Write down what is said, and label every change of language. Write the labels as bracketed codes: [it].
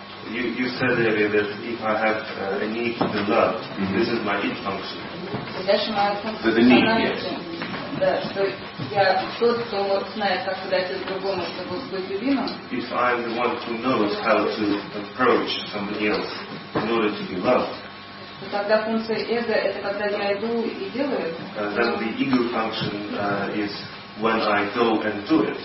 [en] you said earlier that if I have a need to love, mm-hmm. this is my need function. [ru] Дальше моя функция. [en] The need, yes. [ru] Да, что я тот, кто вот знает, как подойти к другому, чтобы быть любимым. [en] If I'm the one who knows how to approach somebody else in order to be loved. [ru] Тогда функция эго это когда я иду и делаю. [en] Then the ego function is when I go and do it.